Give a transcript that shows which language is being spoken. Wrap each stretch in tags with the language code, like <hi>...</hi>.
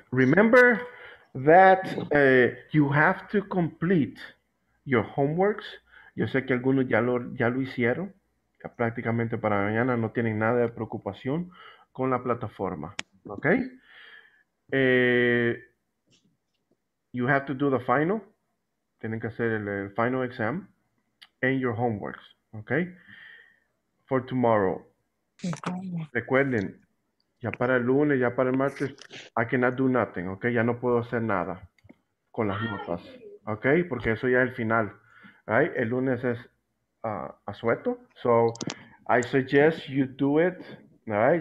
<en>Remember that you have to complete your homeworks.</en> <es>Yo sé que algunos ya lo hicieron. Prácticamente para mañana no tienen nada de preocupación con la plataforma, ¿ok?</es> <en>You have to do the final.</en> <es>Tienen que hacer el</es> <en>final exam and your homeworks, ¿ok? For tomorrow. Okay.</en> <es>Recuerden, ya para el lunes, ya para el martes,</es> <en>I cannot do nothing,</en> <es>¿ok? Ya no puedo hacer nada con las notas, ¿ok? Porque eso ya es el final, ¿right? El lunes es... asueto.</es> <en>So I suggest you do it, all right?</en>